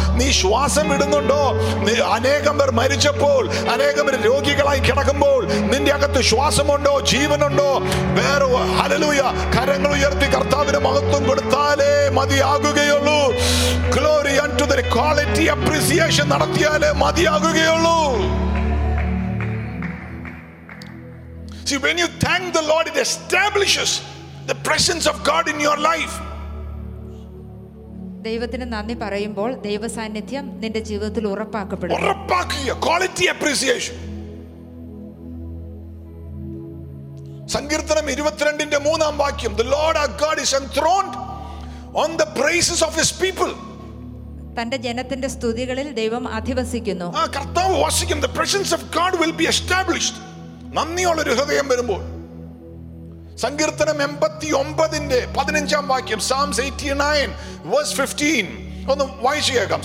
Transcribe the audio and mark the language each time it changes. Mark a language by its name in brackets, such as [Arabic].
[Malayalam] നീ ശ്വാസം ഇടുന്നുണ്ടോ? അനേകം പേർ മരിച്ചപ്പോൾ, അനേകം പേർ രോഗികളായി കിടക്കുമ്പോൾ നിന്റെ അകത്ത് ശ്വാസമുണ്ടോ? ജീവനുണ്ടോ? വേറെ ഹല്ലേലൂയ കരങ്ങൾ ഉയർത്തി കർത്താവിന് മഹത്വം കൊടുത്താലേ മതിയാകും. നടത്തുകയുള്ളൂ. [English] glory unto the quality appreciation [Malayalam] നടത്തിയാലേ മതിയാകുകയുള്ളൂ. [English] See, when you thank the Lord, it establishes the presence of God in your life. [Malayalam] ദൈവത്തിന് നന്ദി പറയുമ്പോൾ ദൈവ സാന്നിധ്യം നിന്റെ ജീവിതത്തിൽ ഉറപ്പാക്കപ്പെടും. [English] ഉറപ്പാക്കിയ quality appreciation. സങ്കീർത്തനം 22:3, the Lord our God is enthroned on the praises of his people. [Malayalam] തന്റെ ജനത്തിന്റെ സ്തുതികളിൽ ദൈവം അധിവസിക്കുന്നു. ആ കർത്താവ് വസിക്കും. [English] The presence of God will be established. [Malayalam] നന്ദിയുള്ള ഒരു ഹൃദയം വരുമ്പോൾ. സങ്കീർത്തനം 89:15, Psalms 89:15 ഒന്ന് വായിച്ചേക്കാം.